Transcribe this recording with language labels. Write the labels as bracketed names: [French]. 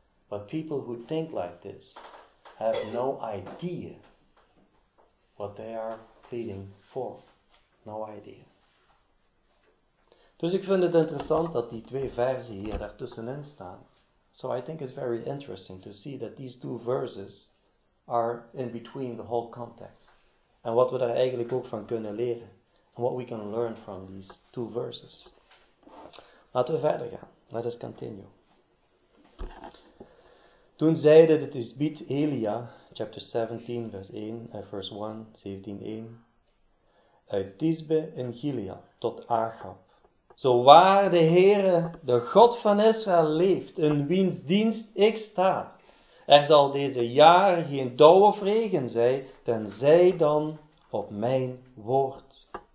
[English] But people who think like this have no idea what they are pleading for. No idea. [Dutch] Dus ik vind het interessant dat die twee versen hier daartussenin staan. [English] So I think it's very interesting to see that these two verses are in between the whole context. [Dutch] En wat we daar eigenlijk ook van kunnen leren. [English] And what we can learn from these two verses. [Dutch] Laten we verder gaan. [English] Let us continue. [Dutch] Toen zeide de Tisbiet Elia, [English] chapter 17, verse 1, [Dutch] uit Tisbe in Gilead tot Achab. Zo waar de Heere, de God van Israël, leeft, in wiens dienst ik sta, er zal deze jaren geen dauw of regen zijn, tenzij dan op mijn woord.